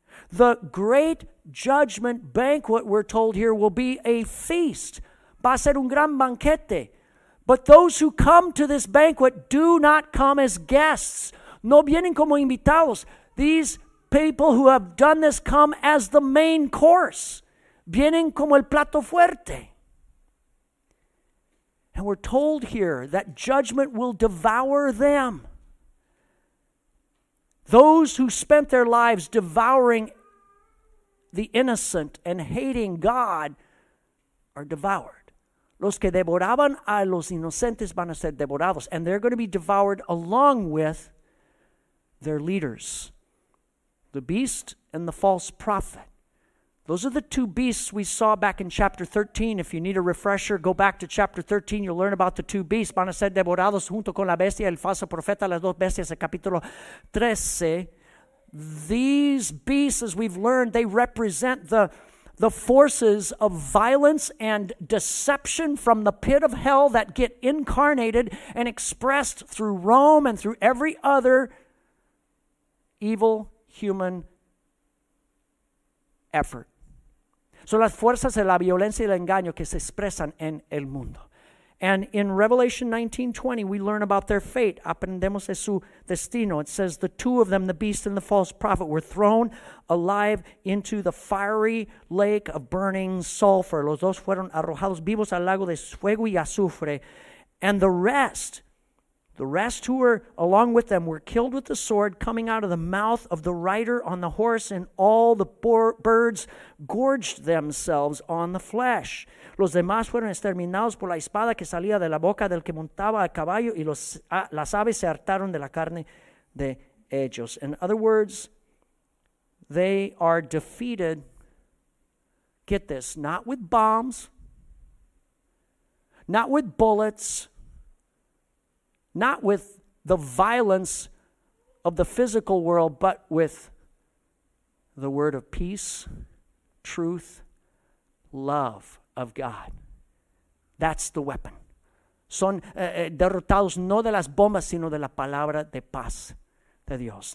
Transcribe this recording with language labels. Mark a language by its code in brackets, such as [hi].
[en] The great judgment banquet, we're told here, will be a feast. [es] Va a ser un gran banquete. [en] But those who come to this banquet do not come as guests. [es] No vienen como invitados. [en] These people who have done this come as the main course. [es] Vienen como el plato fuerte. [en] And we're told here that judgment will devour them. Those who spent their lives devouring the innocent and hating God are devoured. [es] Los que devoraban a los inocentes van a ser devorados. [en] And they're going to be devoured along with their leaders, the beast and the false prophet. Those are the two beasts we saw back in chapter 13. If you need a refresher, go back to chapter 13. You'll learn about the two beasts. [es] Van a ser devorados junto con la bestia, el falso profeta, las dos bestias, el capítulo 13. [en] These beasts, as we've learned, they represent the forces of violence and deception from the pit of hell that get incarnated and expressed through Rome and through every other evil human effort. [es] So las fuerzas de la violencia y el engaño que se expresan en el mundo. [en] And in Revelation 19:20, we learn about their fate. [es] Aprendemos de su destino. [en] It says, "The two of them, the beast and the false prophet, were thrown alive into the fiery lake of burning sulfur. [es] Los dos fueron arrojados vivos al lago de fuego y azufre. [en] And the rest who were along with them were killed with the sword coming out of the mouth of the rider on the horse, and all the birds gorged themselves on the flesh. [es] Los demás fueron exterminados por la espada que salía de la boca del que montaba a caballo, y las aves se hartaron de la carne de ellos." [en] In other words, they are defeated, get this, not with bombs, not with bullets, not with the violence of the physical world, but with the word of peace, truth, love of God. That's the weapon. [es] Son derrotados no de las bombas, sino de la palabra de paz de Dios.